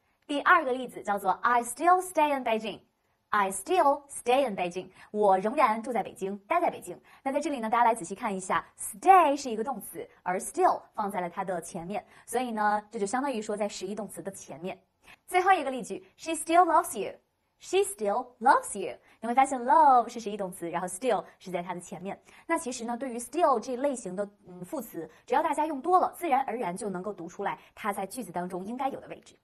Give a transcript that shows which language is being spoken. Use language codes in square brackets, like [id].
[zh] 第二个例子叫做 [en] I still stay in Beijing， [zh] I still stay in Beijing， 我仍然住在北京，待在北京。那在这里呢，大家来仔细看一下， stay 是一个动词，而 still 放在了它的前面，所以呢这就相当于说在实义动词的前面。最后一个例句， [en] She still loves you， She still loves you。 [zh] 你会发现 love 是实义动词，然后 still 是在它的前面。那其实呢对于 still 这类型的副词，只要大家用多了，自然而然就能够读出来它在句子当中应该有的位置。